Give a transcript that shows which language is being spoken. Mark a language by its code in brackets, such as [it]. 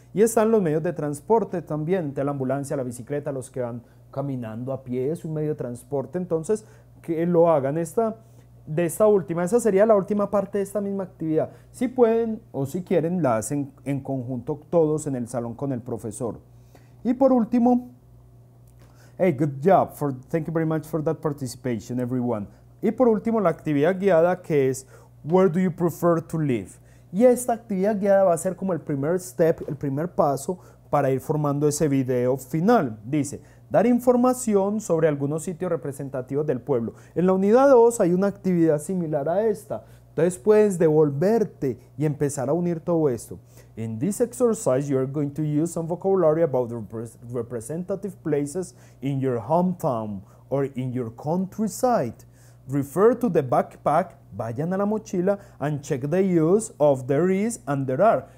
[es] Y están los medios de transporte también, de la ambulancia, la bicicleta, los que van caminando a pie, es un medio de transporte. Entonces, que lo hagan esta última. Esa sería la última parte de esta misma actividad. Si pueden o si quieren, la hacen en conjunto todos en el salón con el profesor. Y por último, [en] hey, good job. Thank you very much for that participation, everyone. [es] Y por último, la actividad guiada, que es [en] Where do you prefer to live? [es] Y esta actividad guiada va a ser como el primer step, el primer paso para ir formando ese video final. Dice, dar información sobre algunos sitios representativos del pueblo. En la unidad 2 hay una actividad similar a esta. Entonces puedes devolverte y empezar a unir todo esto. [en] In this exercise, you are going to use some vocabulary about the representative places in your hometown or in your countryside. Refer to the backpack, [es] vayan a la mochila, [en] and check the use of there is and there are.